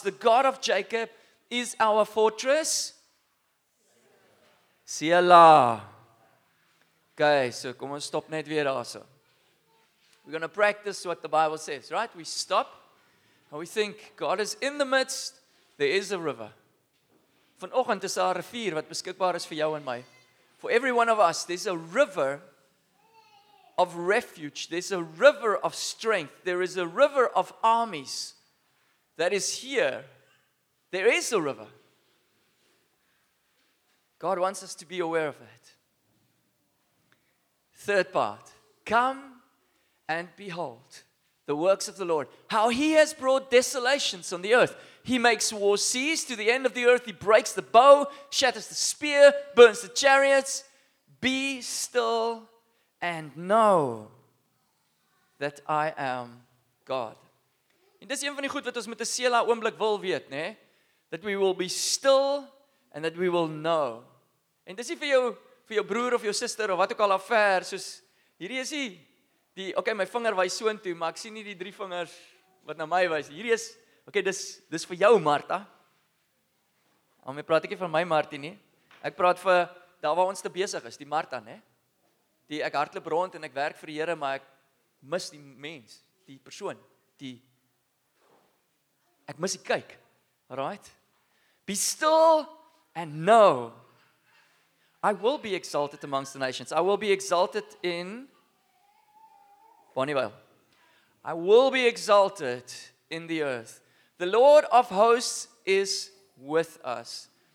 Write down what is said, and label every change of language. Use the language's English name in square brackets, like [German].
[English] The God of Jacob is our fortress. Selah. Okay, so come on, [Afrikaans] stop net weer daar. [English] We're going to practice what the Bible says, right? We stop and we think God is in the midst. There is a river. [Afrikaans] Vanoggend is daar 'n rivier wat beskikbaar is vir jou en my. [English] For every one of us, there's a river of refuge. There's a river of strength. There is a river of armies that is here. There is a river. God wants us to be aware of it. Third part. Come and behold the works of the Lord. How he has brought desolations on the earth. He makes war cease to the end of the earth. He breaks the bow, shatters the spear, burns the chariots. Be still and know that I am God. [Afrikaans] En dis een van die goed wat ons met 'n sela oomblik wil weet, né? [English] That we will be still and that we will know. [Afrikaans] En dis nie vir jou broer of jou suster of wat ook al afver, soos hierdie is die okay, my vinger wys so intoe, maar ek sien nie die drie vingers wat na my wys. Hierdie is okay, dis vir jou Martha. Almee praat ek nie van my Martie nie. Ek praat vir daar waar ons te besig is, die Martha, né? Die ek hardloop rond en ek werk vir die Here, maar ek mis die mens, die persoon, die ek mis die kyk. [English] Right? Be still and know I will be exalted amongst the nations. I will be exalted in Bonnievale. I will be exalted in the earth. The Lord of hosts is with us.